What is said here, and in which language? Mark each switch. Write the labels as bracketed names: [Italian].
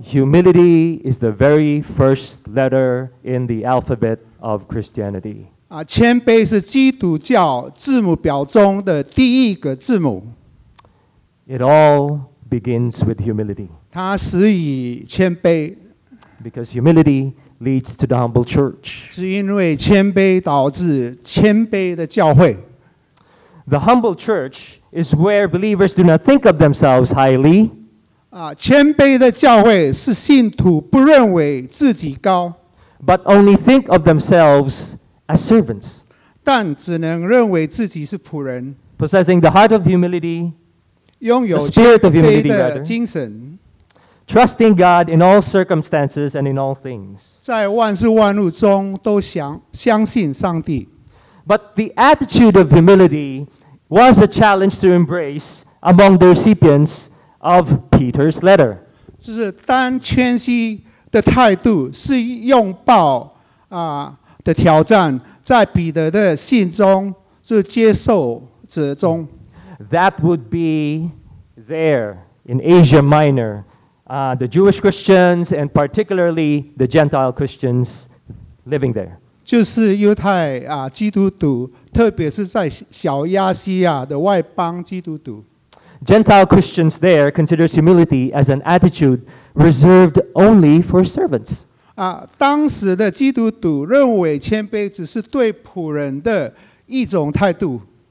[English] Humility is the very first letter in the alphabet of Christianity. [Chinese] 谦卑是基督教字母表中的第一个字母。 [English] It all begins with humility. [Chinese] 它始于谦卑。 [English] Because humility leads to the humble church. [Chinese] 是因为谦卑导致谦卑的教会。 [English] The humble church is where believers do not think of themselves highly. [Chinese] 谦卑的教会是信徒不认为自己高。 [English] But only think of themselves as servants. [Chinese] 但只能认为自己是仆人。 [English] Possessing the heart of humility, [Chinese] 拥有谦卑的精神。 [English] The spirit of humility, rather. Trusting God in all circumstances and in all things. [Chinese] 在万事万物中都相信上帝。 [English] But the attitude of humility was a challenge to embrace among the recipients of Peter's letter. [Chinese] 就是单谦虚的态度是拥抱的挑战，在彼得的信中是接受者中。 [English] That would be there in Asia Minor. The Jewish Christians and particularly the Gentile Christians living there. [Chinese] 就是犹太基督徒，特别是在小亚细亚的外邦基督徒。 [English] Gentile Christians there consider humility as an attitude reserved only for servants. [Chinese] 当时的基督徒认为谦卑只是对仆人的一种态度。